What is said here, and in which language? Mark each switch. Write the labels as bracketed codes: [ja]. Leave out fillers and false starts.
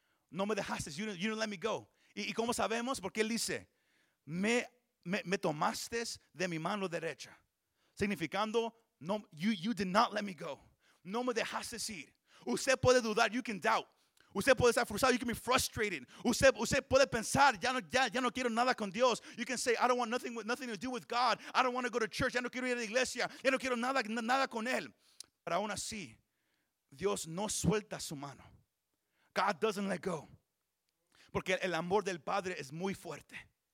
[es] No me dejaste, [en] you didn't let me go. [es] ¿Y cómo sabemos? Porque él dice, me tomaste de mi mano derecha. Significando, [en] no, you did not let me go. [es] No me dejaste ir. Usted puede dudar, [en] you can doubt. [es] Usted puede estar frustrado, [en] you can be frustrated. [es] Usted puede pensar, ya no quiero nada con Dios. [en] You can say, I don't want nothing to do with God. I don't want to go to church. [es] Ya no quiero ir a la iglesia. Ya no quiero nada con Él. Pero aún así, Dios no suelta su mano. [en] God doesn't let go. [es] Porque el amor del Padre es muy fuerte.